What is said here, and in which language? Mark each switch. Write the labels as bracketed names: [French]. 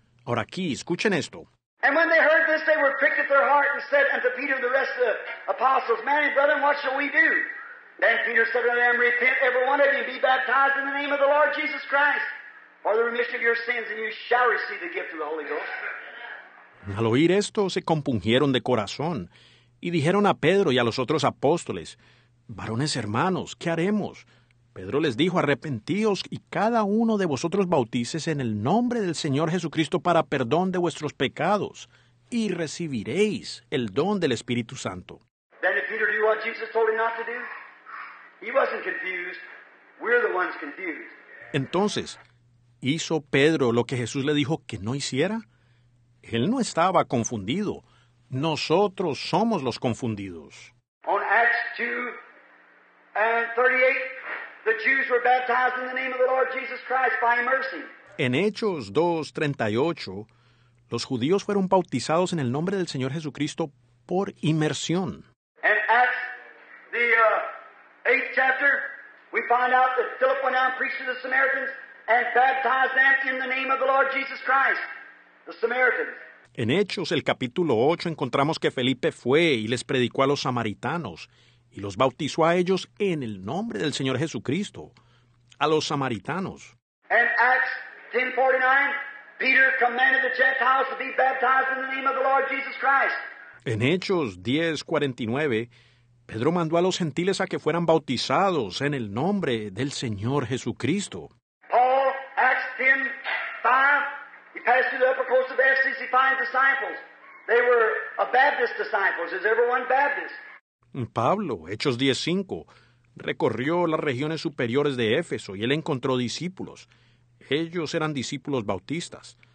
[Spanish] Ahora aquí, escuchen esto. [English] And when they heard this, they were pricked at their heart and said unto Peter and the rest of the apostles, man and brethren, what shall we do? Then Peter said unto them, repent, every one of you, be baptized in the name of the Lord Jesus Christ for the remission of your sins, and you shall receive the gift of the Holy Ghost. [Spanish] Al oír esto, se compungieron de corazón y dijeron a Pedro y a los otros apóstoles, varones hermanos, ¿qué haremos? Pedro les dijo, arrepentíos y cada uno de vosotros bautices en el nombre del Señor Jesucristo para perdón de vuestros pecados, y recibiréis el don del Espíritu Santo. [English] Then did Peter do what Jesus told him not to do? He wasn't confused. We're the ones confused. [Spanish] Entonces, ¿hizo Pedro lo que Jesús le dijo que no hiciera? Él no estaba confundido. Nosotros somos los confundidos. [English] On Acts 2 and 38, the Jews were baptized in the name of the Lord Jesus Christ by immersion. [Spanish] En Hechos 2:38, los judíos fueron bautizados en el nombre del Señor Jesucristo por inmersión. [English] And Acts the 8th chapter, we find out that Philip went out and preached to the Samaritans and baptized them in the name of the Lord Jesus Christ. The Samaritans. [Spanish] En Hechos, el capítulo 8, encontramos que Felipe fue y les predicó a los samaritanos y los bautizó a ellos en el nombre del Señor Jesucristo, a los samaritanos. [English] And Acts 10:49, Peter commanded the Gentiles to be baptized in the name of the Lord Jesus Christ. [Spanish] En Hechos 10:49, Pedro mandó a los gentiles a que fueran bautizados en el nombre del Señor Jesucristo. [English] Paul, Acts 10:5, he passed through the upper coast of Ephesus, he finds disciples. They were a Baptist disciples. Is everyone Baptist? [Spanish] Pablo, Hechos 10:5, recorrió las regiones superiores de Éfeso y él encontró discípulos. Ellos eran discípulos bautistas.